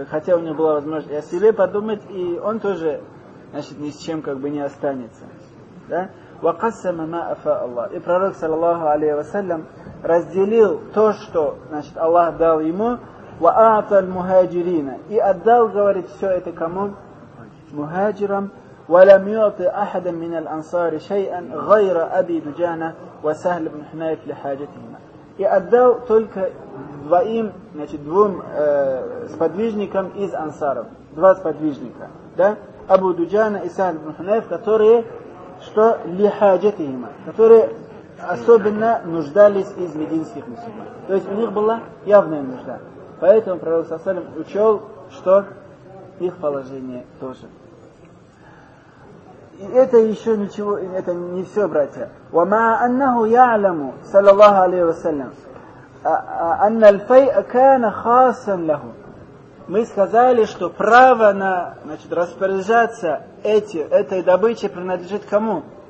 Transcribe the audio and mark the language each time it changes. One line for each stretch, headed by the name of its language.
Russian: Хотя у него была возможность и о себе подумать, и он тоже, значит, ни с чем как бы не останется. Да?
Arabic: وَقَسَّمَ مَا أَفَاءَ اللَّهُ,
Russian: и пророк, саллаллаху алейхи ва саллям, разделил то, что, значит, Аллах дал ему,
Arabic: وَأَعْطَى الْمُهَاجِرِينَ,
Russian: и отдал, говорит, все это кому? Мухаджирам.
Arabic: وَلَمْ يُعْطِ أَحَدًا مِنَ الْأَنصَارِ شَيْئًا غَيْرَ أَبِي دُجَانَ وَسَهْلَ بْنِ حُنَيْفٍ لِحَاجَتِهِمَا,
Russian: и отдал только двоим, значит, двум сподвижникам из ансаров. Два сподвижника, да? Абу Дуджана и Саад ибн Хунайф, которые, что,
Arabic: ли хаджатихима,
Russian: которые особенно нуждались из мединских мусульман. То есть у них была явная нужда. Поэтому пророк саллаллаху алейхи ва саллям учел, что их положение тоже. И это еще ничего, это не все, братья.
Arabic: وما أنه يعلم صلى الله عليه وسلم أن الفيء كان خاصا له.
Russian: Мы сказали, что право на, значит, распоряжаться этой добычей принадлежит кому?